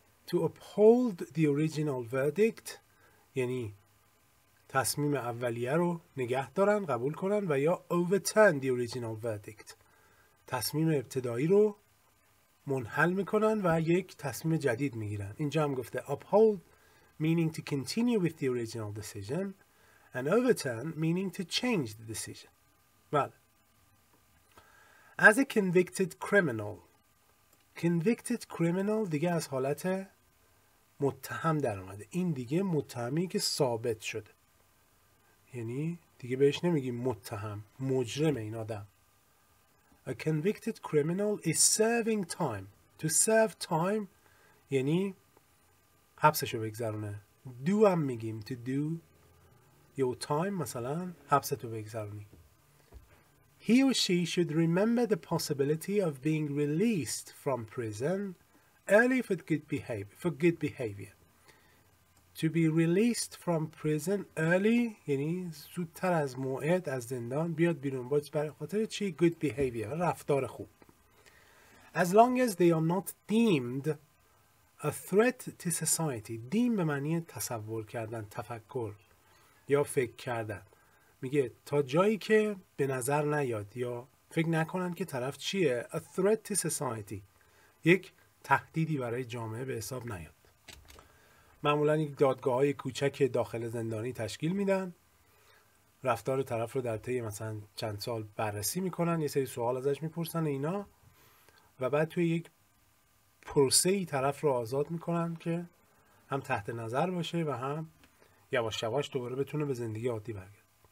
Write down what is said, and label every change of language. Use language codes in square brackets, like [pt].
[en] To uphold the original verdict [fa] یعنی تصمیم اولیه رو نگه دارن، قبول کنن، و یا [en] overturn the original verdict، [fa] تصمیم ابتدایی رو منحل میکنن و یک تصمیم جدید میگیرن. اینجا هم گفته [en] uphold meaning to continue with the original decision and overturn meaning to change the decision. بله. As a convicted criminal. [fa] Convicted criminal دیگه از حالت متهم در اومده. این دیگه متهمی که ثابت شده. یعنی دیگه بهش نمیگیم متهم. مجرم این آدم. [en] A convicted criminal is serving time. To serve time [fa] یعنی حبسشو بگذرونه. Do هم میگیم [en] to do. Your time [fa] مثلا حبستو بگذرونی. [en] He or she should remember the possibility of being released from prison early for good behavior. To be released from prison early, [fa] یعنی زودتر از موعد از زندان بیاد بیرون باید برای خاطر چی؟ Good behavior, رفتار خوب. [en] As long as they are not deemed a threat to society. [fa] Deem به معنی تصور کردن, تفکر یا فکر کردن. میگه تا جایی که به نظر نیاد یا فکر نکنن که طرف چیه [en] a threat to society [fa] یک تهدیدی برای جامعه به حساب نیاد. معمولاً یک دادگاه های کوچک داخل زندانی تشکیل میدن, رفتار طرف رو در طی مثلا چند سال بررسی میکنن, یه سری سوال ازش میپرسن اینا, و بعد توی یک پروسه ای طرف رو آزاد میکنن که هم تحت نظر باشه و هم یواش یواش دوباره بتونه به زندگی عادی برگرده.